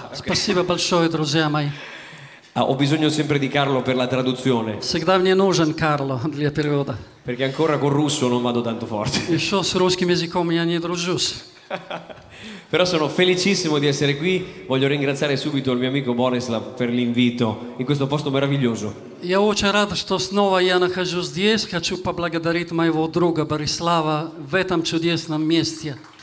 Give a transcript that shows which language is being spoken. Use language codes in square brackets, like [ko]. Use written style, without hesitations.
[ru] Спасибо большое, друзья мои. [it] Ho bisogno sempre di Carlo per la traduzione. [ru] Всегда мне нужен Карло для перевода. [it] Perché ancora con russo non vado tanto forte. [ru] Еще с русским языком я не дружусь. [it] Però sono felicissimo di essere qui. Voglio ringraziare subito il mio amico Borislav per l'invito in questo posto meraviglioso. [ru] Я очень рад, что снова я нахожусь здесь. Хочу поблагодарить моего друга Борислава в этом чудесном месте.